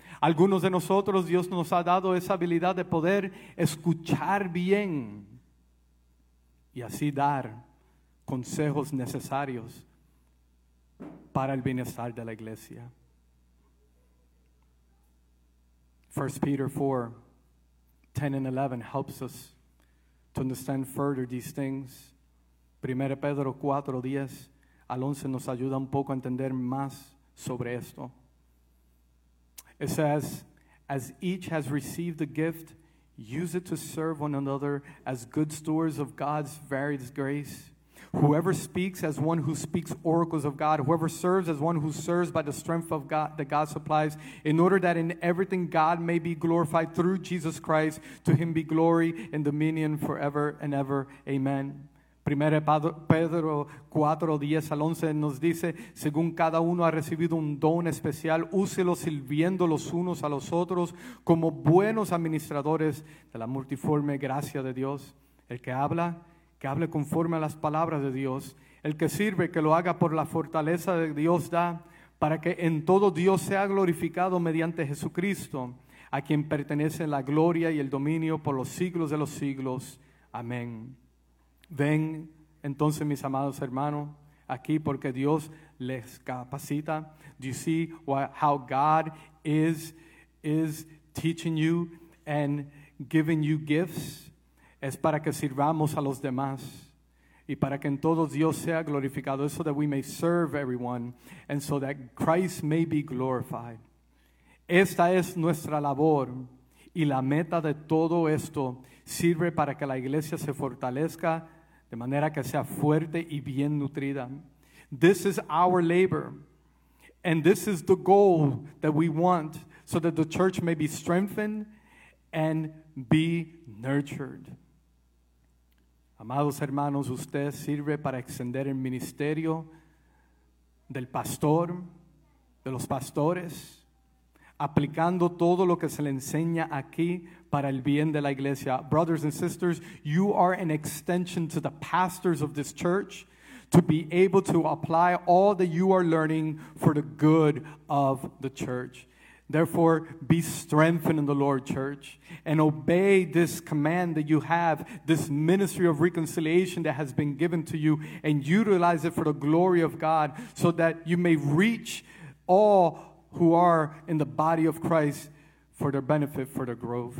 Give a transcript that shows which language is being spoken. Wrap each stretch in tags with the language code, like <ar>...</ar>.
<es>Algunos de nosotros, Dios nos ha dado esa habilidad de poder escuchar bien y así dar consejos necesarios para el bienestar de la iglesia.</es> <en>1 Peter 4, 10 and 11 helps us to understand further these things.</en> <es>1 Pedro 4, 10 al 11 nos ayuda un poco a entender más sobre esto.</es> <en>It says, as each has received a gift, use it to serve one another as good stewards of God's varied grace. Whoever speaks as one who speaks oracles of God, whoever serves as one who serves by the strength of God that God supplies, in order that in everything God may be glorified through Jesus Christ, to him be glory and dominion forever and ever. Amen.</en> <es>1 Pedro 4, 10 al 11 nos dice, según cada uno ha recibido un don especial, úselo sirviendo los unos a los otros como buenos administradores de la multiforme gracia de Dios. El que habla, que hable conforme a las palabras de Dios. El que sirve, que lo haga por la fortaleza que Dios da, para que en todo Dios sea glorificado mediante Jesucristo, a quien pertenece la gloria y el dominio por los siglos de los siglos. Amén. Ven entonces, mis amados hermanos, aquí porque Dios les capacita.</es> <en>Do you see how God is teaching you and giving you gifts?</en> <es>Es para que sirvamos a los demás. Y para que en todos Dios sea glorificado.</es> <en>So that we may serve everyone. And so that Christ may be glorified.</en> <es>Esta es nuestra labor. Y la meta de todo esto sirve para que la iglesia se fortalezca de manera que sea fuerte y bien nutrida.</es> <en>This is our labor. And this is the goal that we want so that the church may be strengthened and be nurtured.</en> <es>Amados hermanos, usted sirve para extender el ministerio del pastor, de los pastores, aplicando todo lo que se le enseña aquí para el bien de la iglesia.</es> <en>Brothers and sisters, you are an extension to the pastors of this church to be able to apply all that you are learning for the good of the church. Therefore, be strengthened in the Lord, church, and obey this command that you have, this ministry of reconciliation that has been given to you, and utilize it for the glory of God so that you may reach all who are in the body of Christ for their benefit, for their growth.</en>